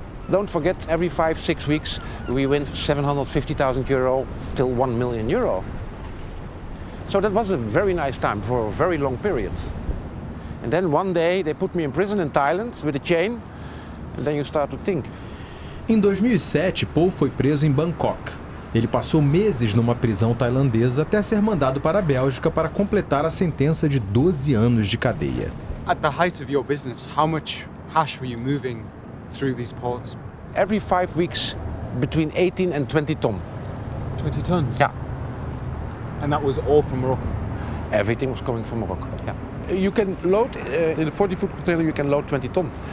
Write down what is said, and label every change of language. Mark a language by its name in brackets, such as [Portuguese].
[English] Don't forget, every 5-6 weeks, we win 750,000 euro till 1 million euro. So that was a very nice time for a very long period. And then one day they put me in prison in Thailand with a chain, and then you start to think. [Portuguese] Em 2007, Paul foi preso em Bangkok. Ele passou meses numa prisão tailandesa até ser mandado para a Bélgica para completar a sentença de 12 anos de cadeia. [English] At the height of your business, how much hash were you moving through these ports? Every 5 weeks, between 18 and 20 tons. 20 tons? Yeah. And that was all from Morocco? Everything was coming from Morocco, yeah. You can load, in a 40-foot container, you can load 20 tons.